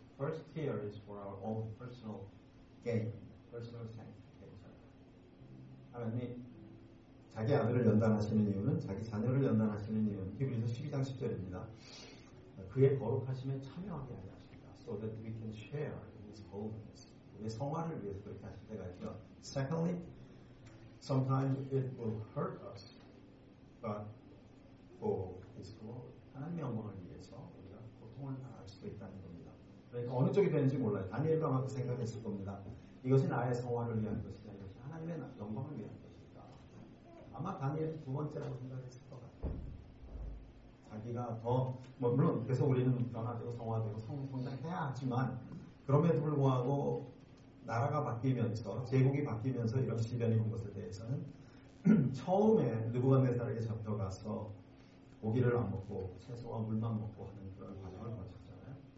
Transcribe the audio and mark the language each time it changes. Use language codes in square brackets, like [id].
[en] First tier is for our own personal gain, personal sanctification. [ko] 하나님 자기 아들을 연단하시는 이유는 자기 자녀를 연단하시는 이유는 히브리서 12장 10절입니다. 그의 거룩하심에 참여하게 하십니다. [en] So that we can share in his holiness. [ko] 우리 성화를 위해서 그렇게 하실 때가 있죠. [en] Secondly, sometimes it will hurt us, but for his glory. [ko] 하나님의 영광을 위해서 우리가 고통을 당할 수도 있다는 겁니다. 그러니까 어느 쪽이 되는지 몰라요. 다니엘도 아마 그 생각을 했을 겁니다. 이것이 나의 성화를 위한 것이다. 이것이 하나님의 영광을 위한 것이다. 아마 다니엘은 두 번째로 생각했을 것 같아요. 자기가 더, 뭐 물론 계속 우리는 변화되고 성화되고 성장해야 하지만 그럼에도 불구하고 나라가 바뀌면서 제국이 바뀌면서 이런 시련이 온 것에 대해서는 처음에 느부갓네살에게 잡혀가서 고기를 안 먹고 채소와 물만 먹고 하는 그런 과정을 거쳤잖아요.